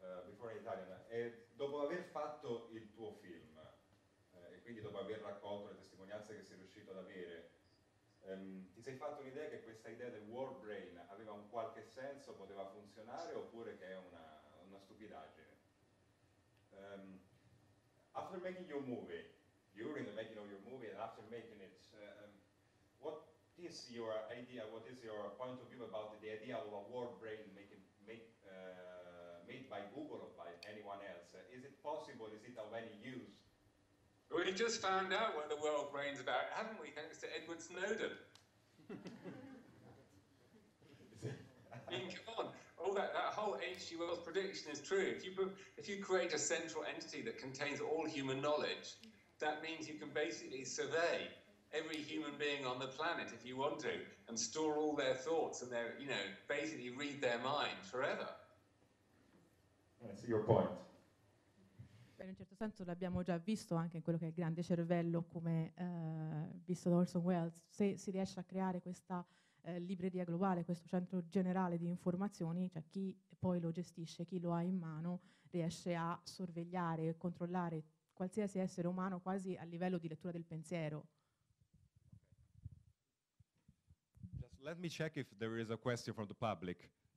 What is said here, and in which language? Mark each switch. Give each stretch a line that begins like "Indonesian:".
English: before in Italian,
Italian: dopo aver fatto il tuo film e quindi dopo aver raccolto le testimonianze che sei riuscito ad avere, ti sei fatto un'idea che questa idea del World Brain aveva un qualche senso, poteva funzionare, oppure che è una stupidaggine?
English: After making your movie, during the making of your movie and after making it, what this your idea, what is your point of view about the idea of a world brain made by Google or by anyone else? Is it possible? Is it of any use? We just found out what the world brain's about, haven't we, thanks to Edward Snowden? I mean, come on, all that whole H.G. Wells prediction is true. If you create a central entity that contains all human knowledge, that means you can basically survey every human being on the planet if you want to, and store all their thoughts and basically read their mind forever. That's your point.
Italian: In un certo senso l'abbiamo già visto anche in quello che è il grande cervello, come visto da Orson Welles. Se si riesce a creare questa libreria globale, questo centro generale di informazioni, cioè chi poi lo gestisce, chi lo ha in mano, riesce a sorvegliare e controllare qualsiasi essere umano quasi a livello di lettura del pensiero.
English: Just let me check if there is a question from the public.